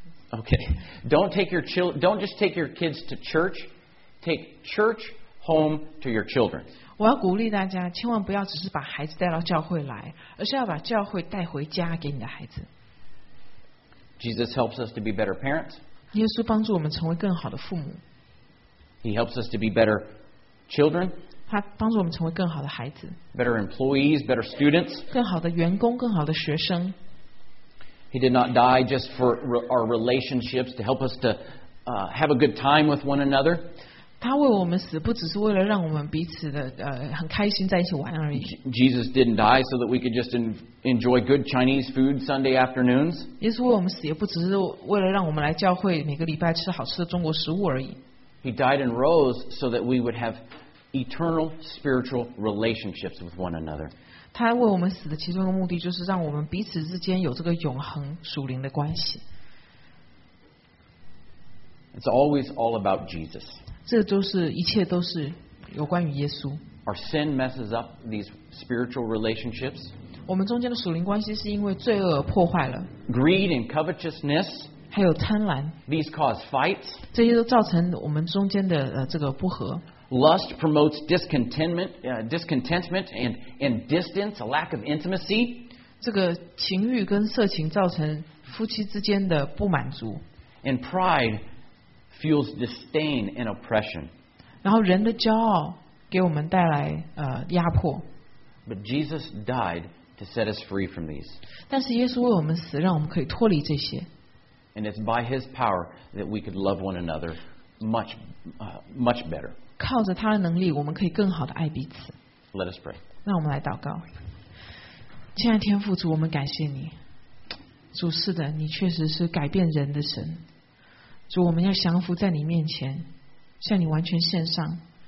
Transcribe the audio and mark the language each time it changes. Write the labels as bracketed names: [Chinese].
[English] Okay, don't just take your kids to church. Take church home to your children. [Chinese] 我要鼓励大家，千万不要只是把孩子带到教会来，而是要把教会带回家给你的孩子。 [English] Jesus helps us to be better parents. [Chinese] 耶稣帮助我们成为更好的父母。 [English] He helps us to be better children. [Chinese] 他帮助我们成为更好的孩子。 [English] Better employees, better students. [Chinese] 更好的员工，更好的学生。 [English] He did not die just for our relationships to help us to have a good time with one another. [Chinese] 他为我们死不只是为了让我们彼此的很开心在一起玩而已。 [English] Jesus didn't die so that we could just enjoy good Chinese food Sunday afternoons. [Chinese] 耶稣为我们死也不只是为了让我们来教会每个礼拜吃好吃的中国食物而已。 [English] He died and rose so that we would have eternal spiritual relationships with one another. [Chinese] 他为我们死的其中一个目的就是让我们彼此之间有这个永恒属灵的关系。 [English] It's always all about Jesus. [Chinese] 这就是一切都是有关于耶稣。 [English] Our sin messes up these spiritual relationships. [Chinese] 我们中间的属灵关系是因为罪恶而破坏了。 [English] Greed and covetousness. [Chinese] 还有贪婪。 [English] These cause fights. [Chinese] 这些都造成我们中间的这个不和。 [English] Lust promotes discontentment and distance, a lack of intimacy. [Chinese] 这个情欲跟色情造成夫妻之间的不满足。 [English] And pride. Fuels disdain and oppression. [Chinese] 然后人的骄傲给我们带来压迫。 [English] But Jesus died to set us free from these. [Chinese] 但是耶稣为我们死，让我们可以脱离这些。 [English] And it's by His power that we could love one another much better. [Chinese] 靠着他的能力，我们可以更好的爱彼此。 [English] Let us pray. [Chinese] 让我们来祷告。亲爱的天父主，我们感谢你。主是的，你确实是改变人的神。主，我们要降服在你面前，向你完全献上。